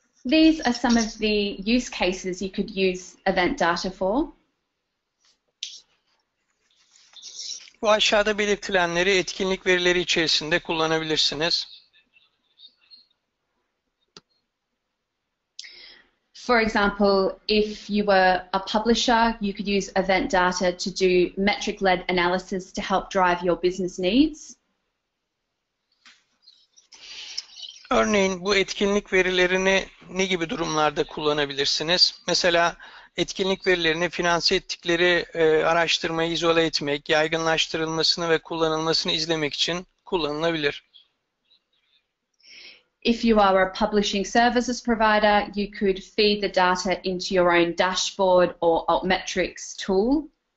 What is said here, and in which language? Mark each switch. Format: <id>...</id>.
<en>These are some of the use cases you could use event data for.</en> <tr>Bu aşağıda belirtilenleri etkinlik verileri içerisinde kullanabilirsiniz.</tr> <en>For example, if you were a publisher, you could use event data to do metric-led analysis to help drive your business needs.</en> <tr>Örneğin bu etkinlik verilerini ne gibi durumlarda kullanabilirsiniz? Mesela etkinlik verilerini finanse ettikleri araştırmayı izole etmek, yaygınlaştırılmasını ve kullanılmasını izlemek için kullanılabilir.</tr> <en>If you are a publishing services provider, you could feed the data into your own dashboard or altmetrics tool.</en>